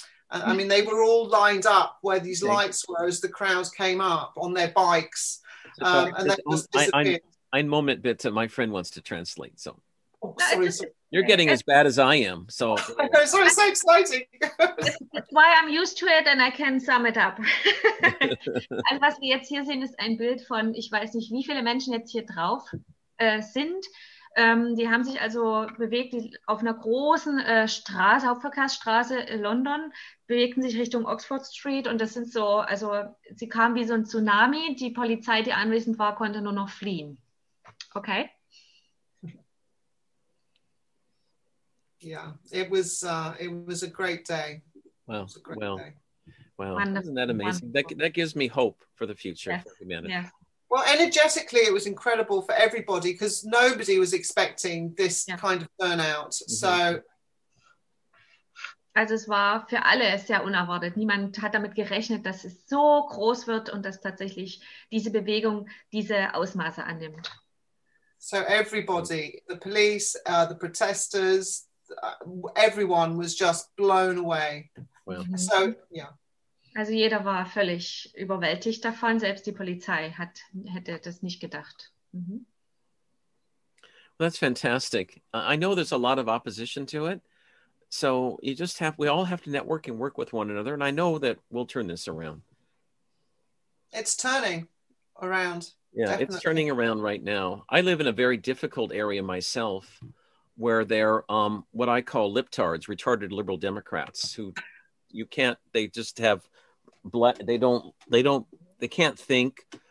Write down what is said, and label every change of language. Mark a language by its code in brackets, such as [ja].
[en] I mean, they were all lined up where these lights were as the crowds came up on their bikes. And then just disappeared. [de] Ein Moment bitte, [en] my friend wants to translate. So. Sorry. You're getting as bad as I am. So it's so exciting. That's why I'm used to it and I can sum it up. [de] Also was wir jetzt hier sehen, ist ein Bild von, ich weiß nicht, wie viele Menschen jetzt hier drauf sind. Die haben sich also bewegt auf einer großen Straße, Hauptverkehrsstraße in London, bewegten sich Richtung Oxford Street und das sind so, also sie kamen wie so ein Tsunami. Die Polizei, die anwesend war, konnte nur noch fliehen. [en] Okay? Yeah, it was a great day. Wow. Isn't that amazing? That gives me hope for the future. Yeah. Well, energetically, it was incredible for everybody because nobody was expecting this kind of turnout. Mm-hmm. So, [de] also es war für alle sehr unerwartet. Niemand hat damit gerechnet, dass es so groß wird und dass tatsächlich diese Bewegung diese Ausmaße annimmt. [en] So everybody, the police, the protesters, everyone was just blown away. Well. So, yeah. [de] Also jeder war völlig überwältigt davon, selbst die Polizei hätte das nicht gedacht. [en] Mm-hmm. Well, that's fantastic. I know there's a lot of opposition to it. So you just have, we all have to network and work with one another. And I know that we'll turn this around. It's turning around. Definitely. It's turning around right now. I live in a very difficult area myself, where they're what I call liptards, retarded liberal Democrats, who you can't, they just have, they can't think.